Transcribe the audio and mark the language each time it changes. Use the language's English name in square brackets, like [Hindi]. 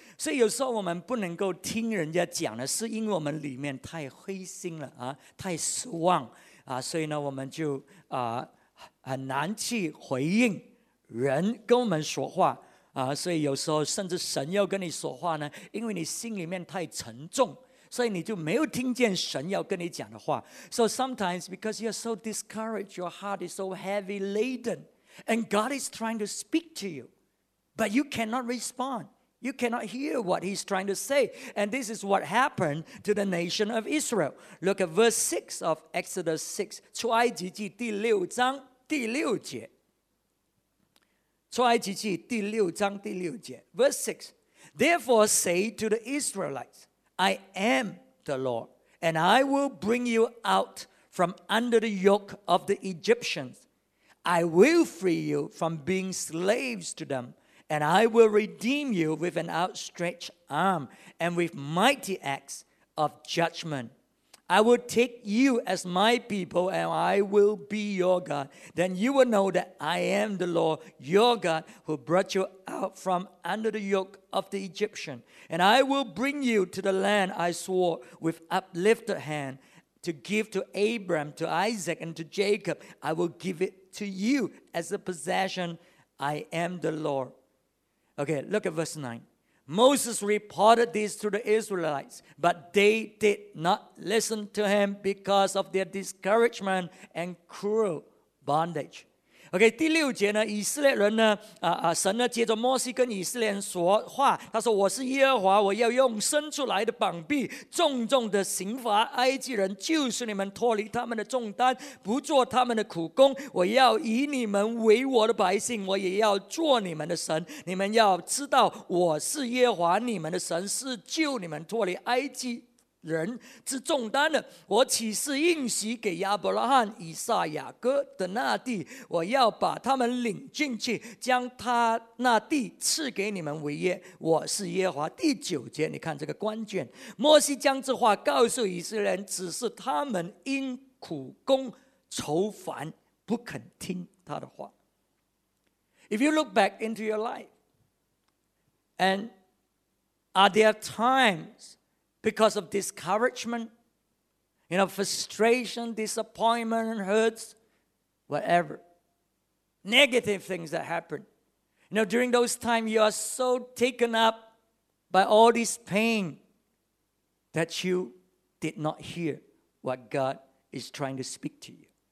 [Chinese] 所以有时候我们不能够听人家讲的，是因为我们里面太灰心了啊，太失望啊，所以呢，我们就啊很难去回应人跟我们说话啊。所以有时候甚至神要跟你说话呢，因为你心里面太沉重，所以你就没有听见神要跟你讲的话。 [English] So sometimes because you are so discouraged, your heart is so heavy laden, and God is trying to speak to you, but you cannot respond. You cannot hear what he's trying to say. And this is what happened to the nation of Israel. Look at verse 6 of Exodus 6. [Chinese] 出埃及记第六章第六节。出埃及记第六章第六节。 [English] Verse 6. Therefore say to the Israelites, I am the Lord, and I will bring you out from under the yoke of the Egyptians. I will free you from being slaves to them. And I will redeem you with an outstretched arm and with mighty acts of judgment. I will take you as my people and I will be your God. Then you will know that I am the Lord, your God, who brought you out from under the yoke of the Egyptian. And I will bring you to the land I swore with uplifted hand to give to Abraham, to Isaac, and to Jacob. I will give it to you as a possession. I am the Lord. Okay, look at verse 9. Moses reported this to the Israelites, but they did not listen to him because of their discouragement and cruel bondage. [Chinese] Okay, 第六节呢，以色列人呢，神呢借着摩西跟以色列人说话，他说，我是耶和华，我要用伸出来的膀臂重重的刑罚埃及人，就是你们脱离他们的重担，不做他们的苦工，我要以你们为我的百姓，我也要做你们的神，你们要知道我是耶和华你们的神，是救你们脱离埃及人之重担的。我岂是应许给亚伯拉罕、以撒、雅各的那地？我要把他们领进去，将他那地赐给你们为业。我是耶和华。第九节，你看这个关键。摩西将这话告诉以色列人，只是他们因苦工愁烦，不肯听他的话。 [English] If you look back into your life, and are there times? Because of discouragement, you know, frustration, disappointment, and hurts, whatever. Negative things that happen. You know, during those times, you are so taken up by all this pain that you did not hear what God is trying to speak to you.